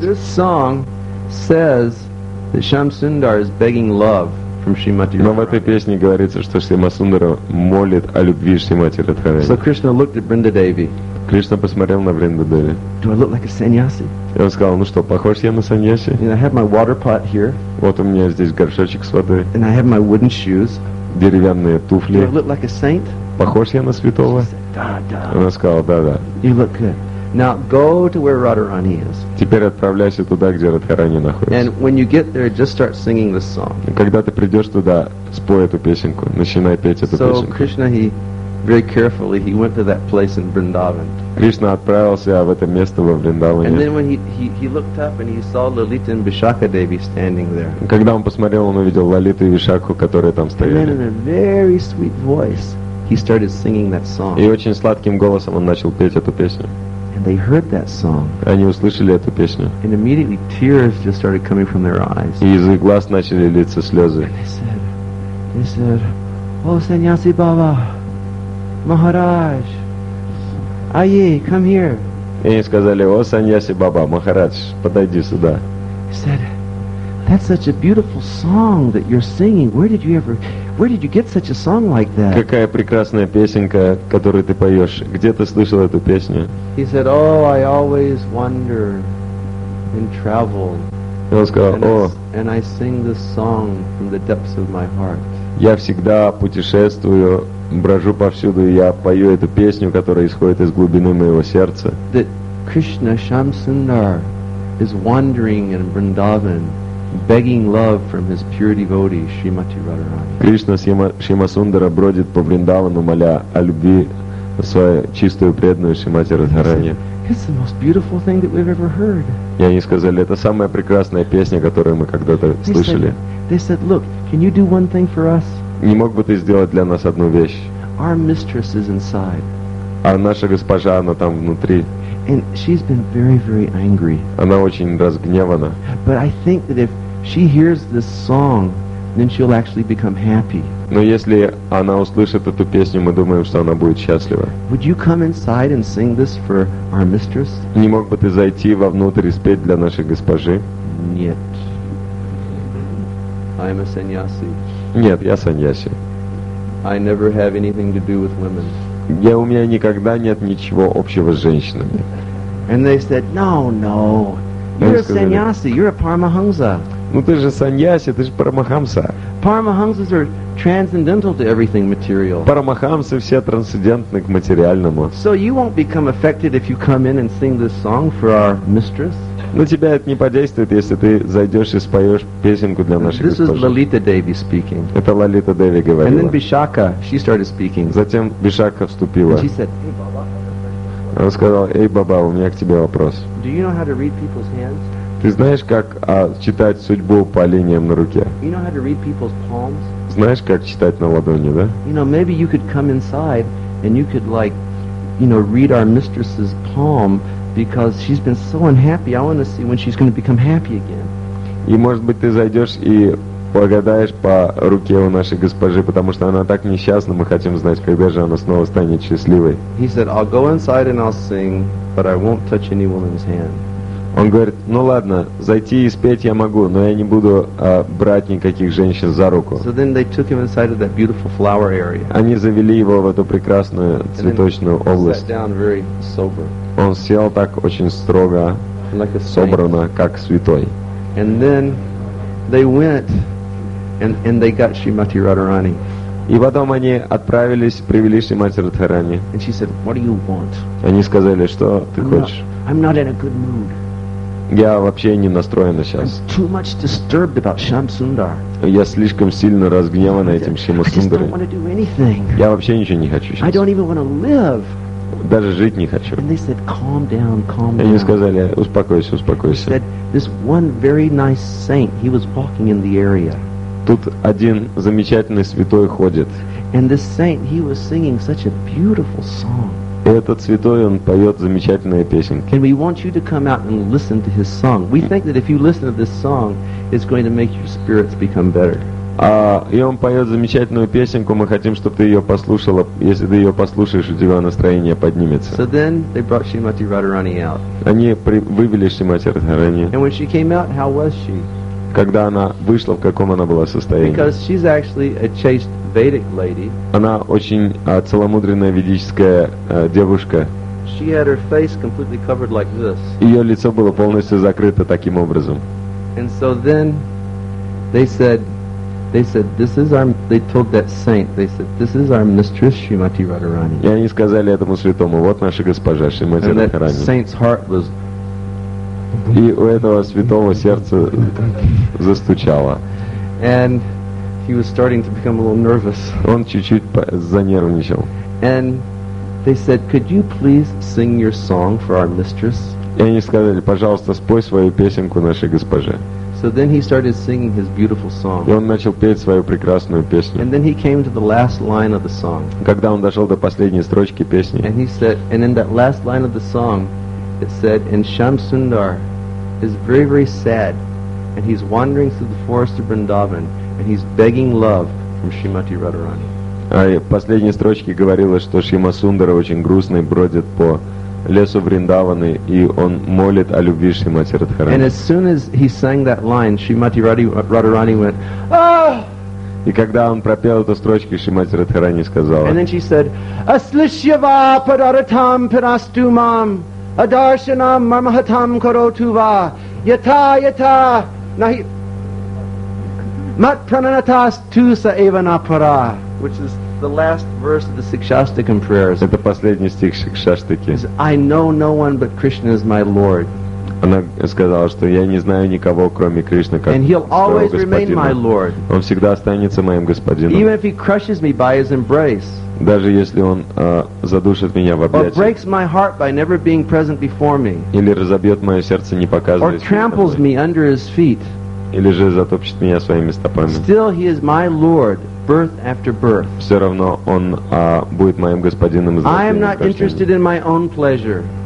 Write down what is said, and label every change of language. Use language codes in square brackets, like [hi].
[en] This song says that Shamsundar is begging love from Shrimati Radharani. [ru] Но в этой песне говорится, что Шамасундара молит о любви Шримати Радхарани. [en] So Krishna looked at Brinda Devi. [ru] Кришна посмотрел на Бринду Деви. [en] Do I look like a sannyasi? [ru] И он сказал, ну что, похож я на саньяси? [en] And I have my water pot here. [ru] Вот у меня здесь горшочек с водой. [en] And I have my wooden shoes. [ru] Деревянные туфли. [en] Do I look like a saint? [ru] Похож я на святого? Она сказала, да. [en] You look good. Now go to where Radharani is. [ru] Теперь отправляйся туда, где Радхарани находится. [en] And when you get there, just start singing this song. [ru] Когда ты придешь туда, спой эту песенку, начинай петь эту песенку. [en] So Krishna, very carefully, he went to that place in Vrindavan. [ru] Кришна отправился в это место во Вриндаване. [en] And then when he looked up and he saw Lalita and Vishakha Devi standing there. [ru] Когда он посмотрел, он увидел Лалиту и Вишакху, которые там стояли. [en] And then in a very sweet voice, he started singing that song. [ru] И очень сладким голосом он начал петь эту песню. [en] And they heard that song. [ru] Они услышали эту песню. [en] And immediately tears just started coming from their eyes. [ru] И из их глаз начали литься слезы. [en] And they said, "O Sannyasi Baba, Maharaj, Aye, come here." [ru] И они сказали, "О Sannyasi Baba, Maharaj, подойди сюда." [en] He said, "That's such a beautiful song that you're singing. Where did you get such a song like that?" [ru] Какая прекрасная песенка, которую ты поешь. Где ты слышал эту песню? [en] He said, "Oh, I always wander and travel." [ru] Он сказал, "О." [en] And I sing this song from the depths of my heart. [ru] Я всегда путешествую, брожу повсюду, и я пою эту песню, которая исходит из глубины моего сердца. [en] That Krishna Shamsundar is wandering in Vrindavan. Begging love from his pure devotee, Shrimati Radharani. [ru] Кришна Шамасундара бродит по Вриндавану, моля о любви свою чистую преданную Шримати Радхарани. [en] It's the most beautiful thing that we've ever heard. [ru] И они сказали, это самая прекрасная песня, которую мы когда-то слышали. [en] They said, "Look, can you do one thing for us?" [ru] Не мог бы ты сделать для нас одну вещь? [en] Our mistress is inside. [ru] А наша госпожа, она там внутри. [en] And she's been very, very angry. [ru] Она очень разгневана. [en] But I think that if she hears this song, then she'll actually become happy. [ru] Но если она услышит эту песню, мы думаем, что она будет счастлива. [en] Would you come inside and sing this for our mistress? [ru] Не мог бы ты зайти вовнутрь и спеть для нашей госпожи? Нет. [en] I'm a sannyasi. [ru] Нет, я саньяси. [en] I never have anything to do with women. [ru] Я, у меня никогда нет ничего общего с женщинами. [en] And they said, no. You're a sannyasi, you're a paramahamsa. [ru] Ну ты же саньяси, ты же парамахамса. [en] Paramahamsas are transcendental to everything material. [ru] Парамахамсы все трансцендентны к материальному. [en] So you won't become affected if you come in and sing this song for our mistress? [ru] Ну тебя это не подействует, если ты зайдешь и споешь песенку для нашей [en] this [ru] госпожи. [en] This is Lalita Devi speaking. [ru] Это Лалита Деви говорила. [en] And then Bishakha, she started speaking. [ru] Затем Бишакха вступила. [en] And she said, "Hey, Baba." [ru] Она сказала, эй, Баба, у меня к тебе вопрос. [en] Do you know how to read people's hands? [ru] Ты знаешь, как читать судьбу по линиям на руке? [en] You know how to read people's palms? [ru] Знаешь, как читать на ладони, да? [en] You know, maybe you could come inside and you could like, you know, read our mistress's palm because she's been so unhappy. I want to see when she's going to become happy again. [ru] И может быть ты зайдешь и погадаешь по руке у нашей госпожи, потому что она так несчастна, мы хотим знать, когда же она снова станет счастливой. [en] He said, I'll go inside and I'll sing, but I won't touch any woman's hand. [ru] Он говорит, ну ладно, зайти и спеть я могу, но я не буду брать никаких женщин за руку. [en] So then they took him inside of that beautiful flower area. [ru] Они завели его в эту прекрасную цветочную область. [en] Sat down very sober. [ru] Он сел так очень строго, [en] like [ru] собрано, как святой. [en] And then they went and they got Srimati Radharani. [ru] И потом они отправились, привели Шримати Радхарани. [en] And she said, what do you want? [ru] Они сказали, что ты хочешь? [en] I'm not in a good mood. [ru] Я вообще не настроена сейчас. [en] I'm too much disturbed about Shamsundar. [ru] Я слишком сильно разгневана этим Шамсундаром. [en] I just don't want to do anything. [ru] Я вообще ничего не хочу сейчас. [en] I don't even want to live. [ru] Даже жить не хочу. [en] And they said, calm down, calm down. [ru] И они сказали, успокойся, успокойся. [en] Said, this one very nice saint, he was walking in the area. [ru] Тут один замечательный святой ходит. [en] And this saint, he was singing such a beautiful song. [ru] И этот святой, он поет замечательные песенки. [en] And we want you to come out and listen to his song. We think that if you listen to this song, it's going to make your spirits become better. [ru] И он поет замечательную песенку, мы хотим, чтобы ты ее послушала. Если ты ее послушаешь, у тебя настроение поднимется. [en] So then they brought Srimati Radharani out. [ru] Они вывели Шримати Радхарани. [en] And when she came out, how was she? [ru] Когда она вышла, в каком она была состоянии? [en] Because she's actually a chaste Vedic lady. [ru] Она очень целомудренная ведическая девушка. [en] She had her face completely covered like this. [ru] Ее лицо было полностью закрыто таким образом. [en] And so then they said this is our they told that saint they said this is our mistress Srimati Radharani. [ru] И они сказали этому святому, вот наша госпожа Шримати Радхарани. [en] And that saint's heart was [ru] и у этого святого сердце застучало. [en] And he was starting to become a little nervous. [ru] Он чуть-чуть занервничал. [en] And they said, "Could you please sing your song for our mistress?" [ru] И они сказали, пожалуйста, спой свою песенку нашей госпоже. [en] So then he started singing his beautiful song. [ru] И он начал петь свою прекрасную песню. [en] And then he came to the last line of the song. [ru] Когда он дошел до последней строчки песни. [en] And he said, and in that last line of the song, it said, "And Shamsundar is very, very sad, and he's wandering through the forest of Vrindavan." And he's begging love from Srimati Radharani. [ru] Ай, в последней строчке говорилось, что Шримасундара очень грустный, бродит по лесу Вриндаваны, и он молит о любви Шримати Радхарани. [en] And as soon as he sang that line, Srimati Radharani went, "Ah!" [ru] И когда он пропел эту строчку, Шримати Радхарани сказала. [en] And then she said, [sa] "Aslishyava padaratam pirastumam adarshanam marmahatam karotuva yata yata nahi." Mat prananatas tu sa evanapara, [en] which is the last verse of the Sikshastikam prayers. [ru] Это последний стих Сикшастики. [en] I know no one but Krishna is my Lord. [ru] Она сказала, что я не знаю никого, кроме Кришны, как своего господина. Он всегда останется моим господином. [en] Even if he crushes me by his embrace. [ru] Даже если он задушит меня в объятиях. [en] Or breaks my heart by never being present before me. [ru] Или разобьет мое сердце, не показываясь. [en] Or tramples me under his feet. [ru] Или же затопчет меня своими стопами. [en] Still he is my Lord, birth after birth. [ru] Все равно он будет моим господином. [en] I am not interested in my own pleasure.